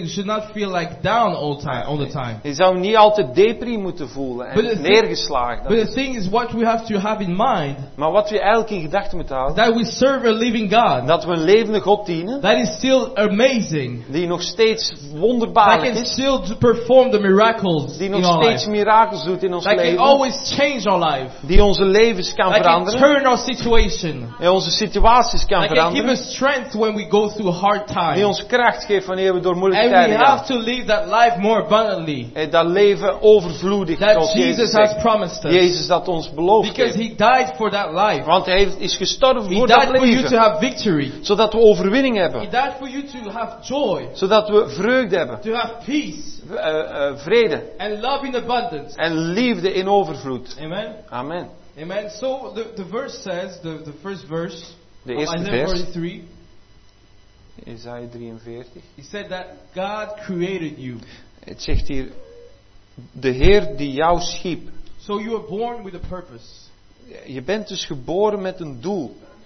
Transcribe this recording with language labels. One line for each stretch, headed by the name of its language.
English: You should not feel like down all the time.
Dutch: Je zou niet altijd depri moeten voelen en neergeslagen.
English: But the thing is, what we have to have in mind.
Dutch: Maar wat we eigenlijk in gedachten moeten houden.
English: That we serve a living God.
Dutch: Dat we een levende God dienen.
English: That is still amazing.
Dutch: Die nog steeds wonderbaarlijk is.
English: That can still perform the miracles.
Dutch: Die nog steeds mirakels doet in ons leven.
English: That can always change our life.
Dutch: Die onze levens kan veranderen.
English: That can turn our situation.
Dutch: En onze situaties kan veranderen.
English: That can give us strength when we go through. Hard time.
Dutch: Die ons kracht geeft wanneer we door moeilijke
English: and
Dutch: tijden gaan.
English: And we have to live that life more abundantly.
Dutch: En dat leven overvloedig.
English: That Jesus has promised us.
Dutch: Jezus dat ons beloofd heeft.
English: Because he died for that life.
Dutch: Want hij is gestorven
English: he
Dutch: voor dat leven.
English: He died for you to have victory.
Dutch: Zodat we overwinning hebben.
English: He died for you to have joy.
Dutch: Zodat we vreugde hebben.
English: To have peace.
Dutch: Vrede.
English: And love in abundance.
Dutch: En liefde in overvloed.
English: Amen. Amen. Amen. So the verse says, the first verse.
Dutch: De eerste vers.
English: Isaiah 43. Isaiah 43. He said that God created you.
Dutch: Het zegt hier de Heer die jou schiep.
English: So you are born with a purpose.
Dutch: Je bent dus geboren met een doel.